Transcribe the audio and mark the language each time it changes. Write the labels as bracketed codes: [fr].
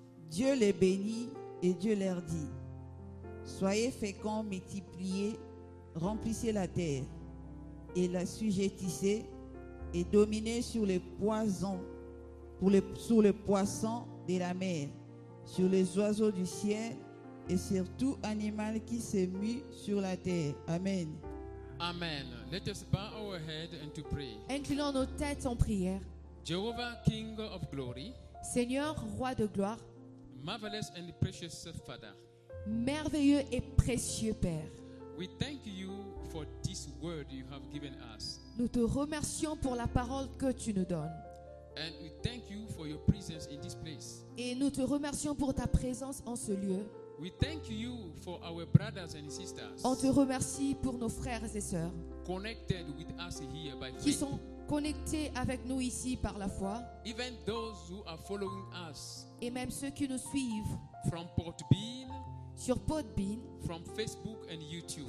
[fr] Dieu les bénit et Dieu leur dit, soyez féconds, multipliez, remplissez la terre et la sujettissez et dominez sur les poissons, sur les poissons de la mer, sur les oiseaux du ciel et sur tout animal qui se mue sur la terre. Amen. Amen. [en] Let us bow our head and to pray. [fr] Inclinons nos têtes en prière. [en] Jehovah, King of Glory. [fr] Seigneur, roi de gloire. [en] Marvelous and precious Father. [fr] Merveilleux et précieux Père. [en] We thank you for this word you have given us. [fr] Nous te remercions pour la parole que tu nous donnes. [en] And we thank you for your presence in this place. [fr] Et nous te remercions pour ta présence en ce lieu. [en] We thank you for our brothers and sisters. [fr] On te remercie pour nos frères et sœurs. [en] Connected with us here by faith. [fr] Qui sont connectés avec nous ici par la foi. [en] Even those who are following us. [fr] Et même ceux qui nous suivent. [en] From Podbean. [fr] Sur Podbean. [en] From Facebook and YouTube.